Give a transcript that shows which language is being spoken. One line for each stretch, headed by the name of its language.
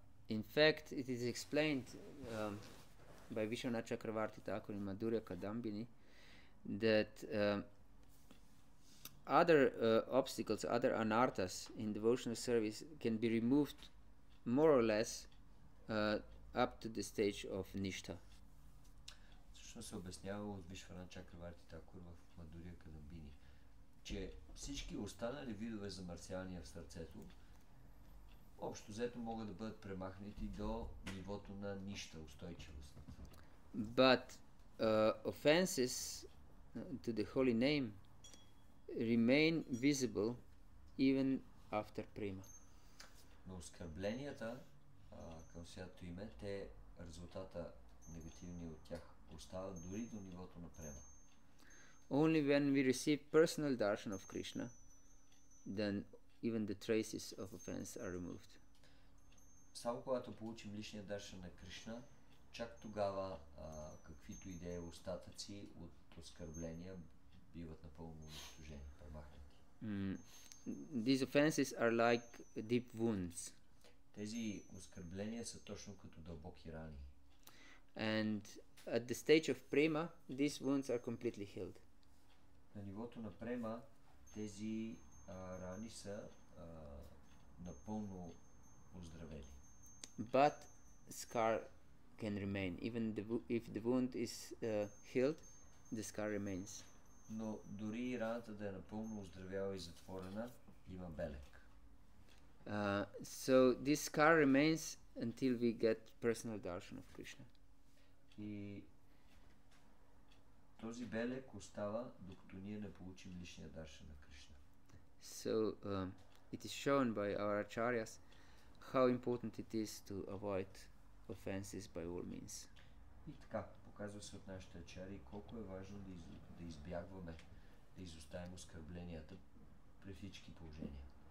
English: In fact, it is explained by Vishwanatha Chakravarti Thakur in Madhurya Kadambini that other obstacles, other anarthas in devotional service can be removed more or less up to the stage of nishtha.
Bulgarian: Всъщност се обяснява от Вишванатха Чакраварти Такур в Мадурия Кадамбини, че всички останали видове замърсявания в сърцето общо взето могат да бъдат премахнати до нивото на нищо устойчивост.
English: But offenses to the holy name remain visible even after prima.
Bulgarian: Но оскърбленията към святото име, те резултата негативни от тях остават дори до нивото на према.
English: Only when we receive personal darshan of Krishna, then even the traces of offense are removed.
Bulgarian: Само когато получим личния даршан на Кришна, чак тогава каквито идеи остатъци от оскърбления биват напълно унищожени, премахнати.
English: These offenses are like deep wounds.
Bulgarian: Тези оскърбления са точно като дълбоки рани.
English: And at the stage of prema, these wounds are completely healed.
Bulgarian: На нивото на према тези рани са напълно оздравели.
English: But scar can remain. Even if the wound is healed, the scar remains.
Bulgarian: Но дори раната да е напълно оздравяла и затворена, има белег.
English: So this scar remains until we get personal darshan of Krishna.
Bulgarian: И този белег остава, докато ние не получим личния даршан на Кришна.
English: So it is shown by our acharyas how important it is to avoid offenses by all means.
Bulgarian: И така, показва се от нашите ачари колко е важно да избягваме, да изоставим оскърбленията при всички положения.